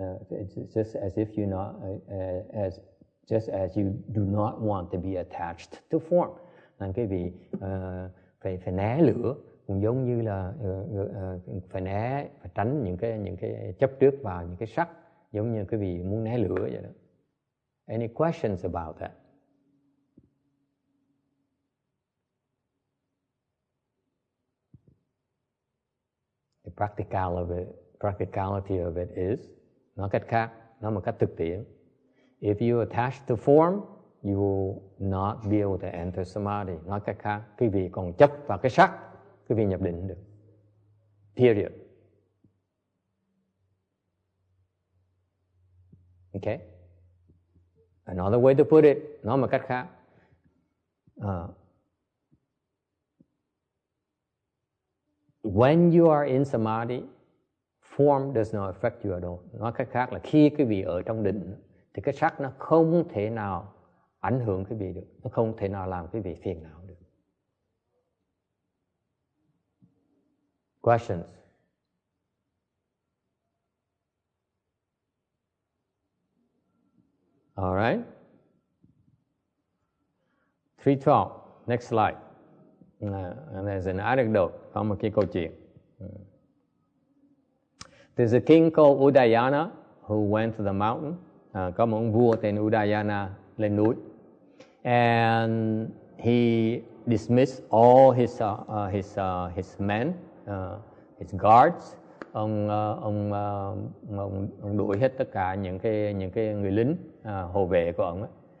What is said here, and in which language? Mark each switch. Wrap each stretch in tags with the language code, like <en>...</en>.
<en>It's just as if you not as just as you do not want to be attached to form.</en> <vi>Nên cái vị phải phải né lửa cũng giống như là phải né phải tránh những cái chấp trước vào những cái sắc giống như cái vị muốn né lửa vậy đó.</vi> <en>Any questions about that? The practicality of it is</en> <vi>nói cách khác, nói một cách thực tiễn.</vi> <en>If you attach to form, you will not be able to enter samadhi.</en> <vi>Nói cách khác, quý vị còn chấp vào cái sắc, quý vị nhập định được. Period.</vi> <en>Okay. Another way to put it,</en> <vi>nói một cách khác.</vi> <en>When you are in samadhi, form does not affect you at all.</en> <vi>Nói cách khác là khi quý vị ở trong định, thì cái sắc nó không thể nào ảnh hưởng quý vị được, nó không thể nào làm quý vị phiền não được.</vi> <en>Questions? All right. 312. Next slide. And there's an anecdote.</en> <vi>Có một cái câu chuyện.</vi> <en>There's a king called Udayana who went to the mountain.</en> <vi>Có một ông vua tên Udayana lên núi.</vi> <en>And he dismissed all his men, his guards.</en> <vi>Ông đuổi hết tất cả những cái người lính hộ vệ của ông ấy.</vi>